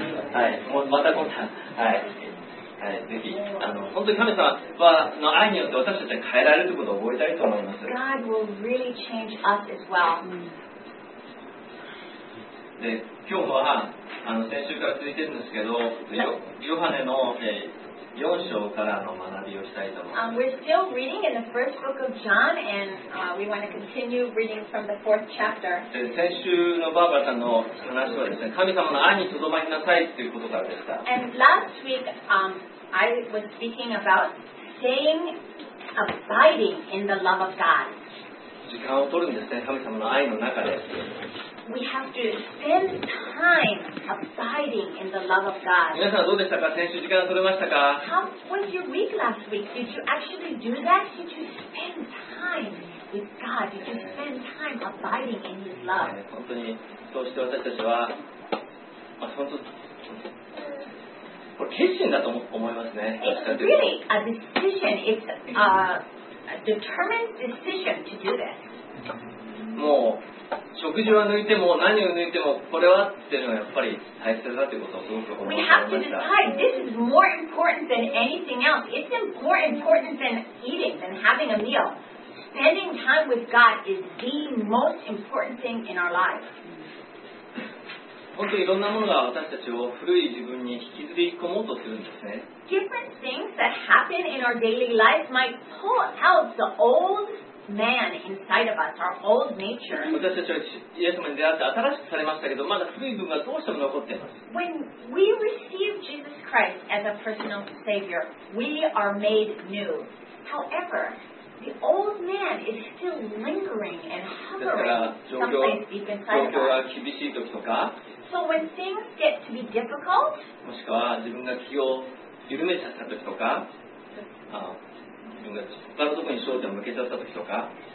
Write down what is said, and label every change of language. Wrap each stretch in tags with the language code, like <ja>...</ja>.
<ja>はい、またこの、はい、はい、ぜひ、本当に神様はの愛によって私たちは変えられることを覚えたいと思います。</ja> <en>God will really change us as well.</en> <ja>で、今日は先週から続いてるんですけど、ヨハネの、4章からの学びをしたいと思います。</ja> <en>We're still reading in the first book of John, and we want to continue reading from the fourth chapter.</en> <ja>先週のバーバラさんの話はですね、神様の愛にとどまりなさいということからでした。</ja> <en>And last week, I was speaking about staying, abiding in the love of God.</en> <ja>時間を取るんですね、神様の愛の中で。</ja> <en>we have to spend time abiding in the love of God.</en> <ja>皆さんどうでしたか？先週時間取れましたか？</ja> <en>How was your week last week? Did you actually do that? Did you spend time with God? Did you spend time abiding in His love?</en> <ja>本当にそうして私たちは、まあ、本当これ決心だと思いますね。</ja> <en>It's really a decision. It's a determined decision to do this.</en> <ja>もう食事は抜いても何を抜いてもこれはっていうのがやっぱり大切だということをすごく思いました。</ja> <en>We have to decide. This is more important than anything else. It's more important than eating, than having a meal. Spending time with God is the most important thing in our lives.</en> <ja>本当にいろんなものが私たちを古い自分に引きずり込もうとするんですね。</ja> <en>Different things that happen in our daily life might pull out the old man inside of us, our old nature.</en> <ja>私たちはイエス様に出会って新しくされましたけど、まだ古い部分がどうしても残っています。</ja> <en>When we receive Jesus Christ as a personal Savior, we are made new. However, the old man is still lingering and hovering someplace deep inside of us.</en> <ja>状況が厳しい時とか、</ja> <en>So when things get to be difficult,</en> <ja>もしくは自分が気を緩めちゃった時とか、自分が他のところに焦点を向けちゃった時とか、</ja>